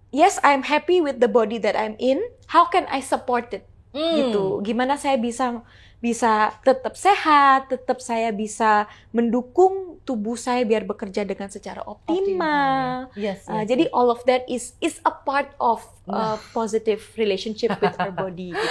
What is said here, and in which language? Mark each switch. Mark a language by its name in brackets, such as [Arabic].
[English] yes, I'm happy with the body that I'm in. How can I support it? Gitu. [Indonesian] Gimana saya bisa tetap sehat, tetap saya bisa mendukung tubuh saya biar bekerja dengan secara optimal. [English] Yes. Jadi all of that is a part of a positive relationship with our body.